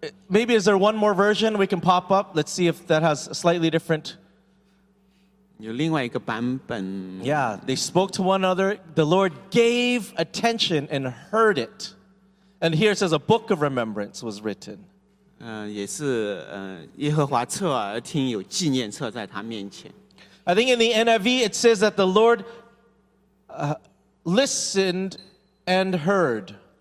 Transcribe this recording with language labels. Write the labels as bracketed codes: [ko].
[en] Maybe is there one more version we can pop up? Let's see if that has a slightly different. [zh] 有另外一个版本. [en] Yeah, they spoke to one another. The Lord gave attention and heard it. And here it says a book of remembrance was written. [zh] 也是耶和华侧耳听有纪念册在他面前. [en] I think in the NIV it says that the Lord listened and heard.